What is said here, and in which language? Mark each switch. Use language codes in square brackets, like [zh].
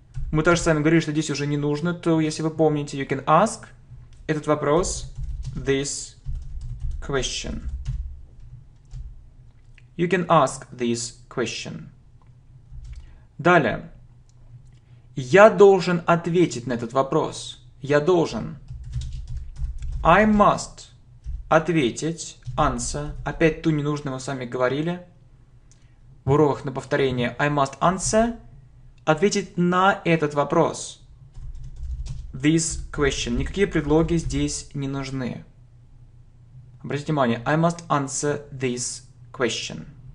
[ru] Мы тоже с вами говорили, что здесь уже не нужно, то если вы помните, [en] you can ask [ru] этот вопрос. [en] This question. You can ask this question. [ru] Далее. Я должен ответить на этот вопрос. Я должен. [en] I must [ru] ответить. [en] Answer. [ru] Опять ту ненужную, мы с вами говорили. В уроках на повторение. [en] I must answer. [ru] Ответить на этот вопрос. [en] This question. [ru] Никакие предлоги здесь не нужны. Обратите внимание. [en] I must answer this question.